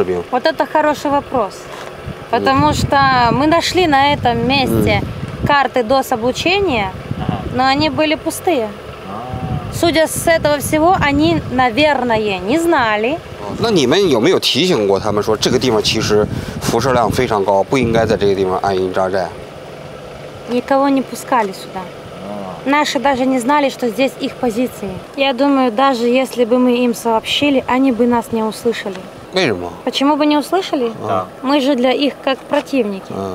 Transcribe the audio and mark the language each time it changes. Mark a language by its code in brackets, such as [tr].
[ru] Вот это хороший вопрос. Потому что мы нашли на этом месте карты ДОС облучения, но они были пустые. Судя с этого всего, они, наверное, не знали. [zh] 那你们有没有提醒过他们说这个地方其实辐射量非常高，不应该在这个地方安营扎寨？ [ru] Никого не пускали сюда. Наши даже не знали, что здесь их позиции. Я думаю, даже если бы мы им сообщили, они бы нас не услышали. [zh] 为什么？ [ru] Почему бы не услышали? Мы же для их как противники.